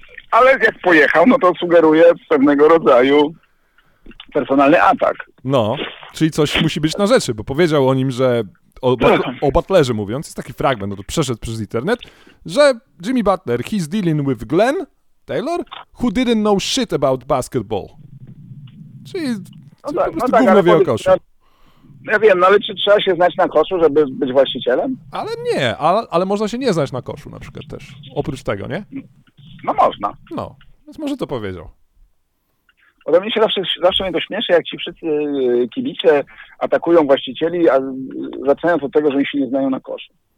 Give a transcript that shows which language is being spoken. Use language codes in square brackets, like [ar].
[pl] Ale jak pojechał, no to sugeruje pewnego rodzaju personalny atak. No, czyli coś musi być na rzeczy, bo powiedział o nim, że... O Butlerze mówiąc, jest taki fragment, no to przeszedł przez internet, że Jimmy Butler, [en] he's dealing with Glenn... Taylor, who didn't know shit about basketball. [pl] Czyli no tak, po prostu no tak, gówno wie o koszu. Ja wiem, no ale czy trzeba się znać na koszu, żeby być właścicielem? Ale nie, ale można się nie znać na koszu na przykład też. Oprócz tego, nie? No można. No, więc może to powiedział. Ode mnie się zawsze mnie to śmieszy, jak ci wszyscy kibice atakują właścicieli, a wracając od tego, że oni się nie znają na koszu.